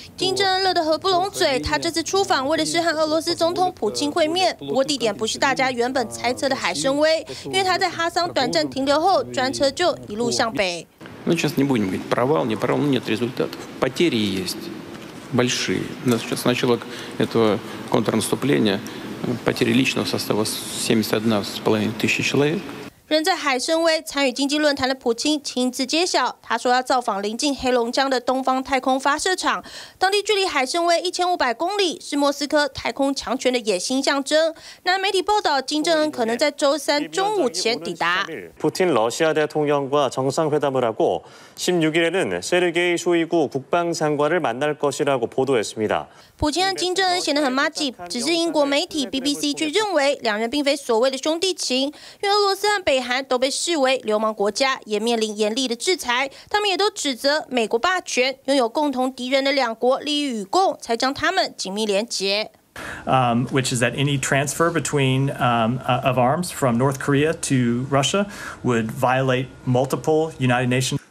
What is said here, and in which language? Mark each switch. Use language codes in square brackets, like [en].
[zh] 金正恩乐得合不拢嘴，他这次出访为的是和俄罗斯总统普京会面，不过地点不是大家原本猜测的海参崴，因为他在哈桑短暂停留后，专车就一路向北。 [ru] 那сейчас не будем говорить провал не провал, нет результатов, потери есть большие. Но сейчас начало этого контрнаступления. Потери личного состава 71,5 тысячи человек. [zh] 人在海参崴，参与经济论坛的普京亲自揭晓，他说要造访临近黑龙江的东方太空发射场，当地距离海参崴1500公里，是莫斯科太空强权的野心象征。那媒体报道，金正恩可能在周三中午前抵达。 [ko] 普京러시아대통령과정상회담을하고16일에는세르게이쇼이구국방장관을만날것이라고보도했습니다 [zh] 普京和金正恩显得很麻吉，只是英国媒体 BBC 却认为两人并非所谓的兄弟情，因为俄罗斯和北韩都被视为流氓国家，也面临严厉的制裁。他们也都指责美国霸权，拥有共同敌人的两国利益与共，才将他们紧密连结。 [en] Which is that any transfer between of arms from North Korea to Russia would violate multiple United Nations.